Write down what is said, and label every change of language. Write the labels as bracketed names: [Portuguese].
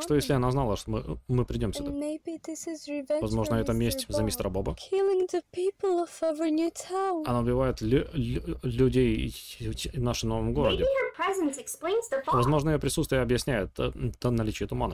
[Russian] Что если она знала, что мы придем сюда? [English] Maybe this is revenge. [Russian] Возможно, это месть за мистера Боба. [English] Killing the people of our new town. [Russian] Она убивает людей в нашем новом городе. [English] Maybe her presence explains the fog. [Russian] Возможно, ее присутствие объясняет наличие тумана.